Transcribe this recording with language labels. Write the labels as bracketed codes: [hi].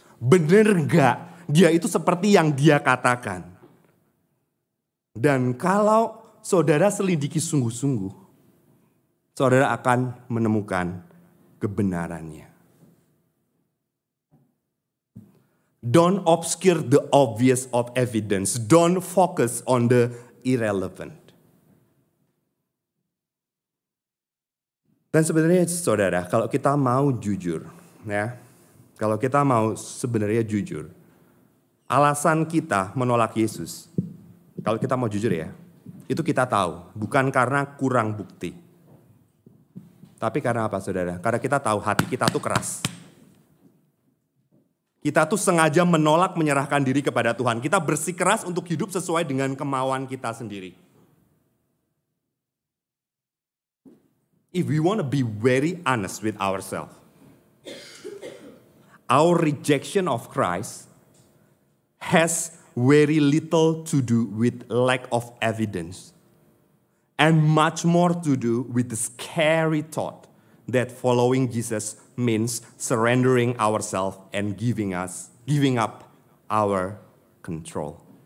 [id] Benar gak dia itu seperti yang dia katakan? Dan kalau saudara selidiki sungguh-sungguh, saudara akan menemukan kebenarannya. [en] Don't obscure the obvious of evidence. Don't focus on the irrelevant. [id] Dan sebenarnya saudara, kalau kita mau jujur, ya, kalau kita mau sebenarnya jujur, alasan kita menolak Yesus, kalau kita mau jujur ya, itu kita tahu, bukan karena kurang bukti. Tapi karena apa saudara? Karena kita tahu hati kita tuh keras. Kita tuh sengaja menolak menyerahkan diri kepada Tuhan. Kita bersikeras untuk hidup sesuai dengan kemauan kita sendiri. [en] If we want to be very honest with ourselves, our rejection of Christ has very little to do with lack of evidence and much more to do with the scary thought that following Jesus means surrendering ourselves and giving up our control.